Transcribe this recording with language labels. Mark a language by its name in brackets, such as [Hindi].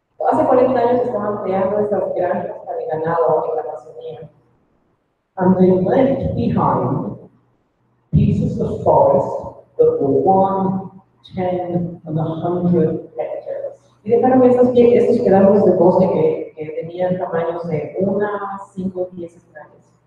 [Spanish] Hace 40 años estaban creando estas granjas para el ganado en la Amazonía. [English] And they left behind pieces of forest that were 1, 10, and 100 hectares. [Spanish] Y dejaron estos pedazos de bosque que tenían tamaños de 1, 5, 10 hectáreas.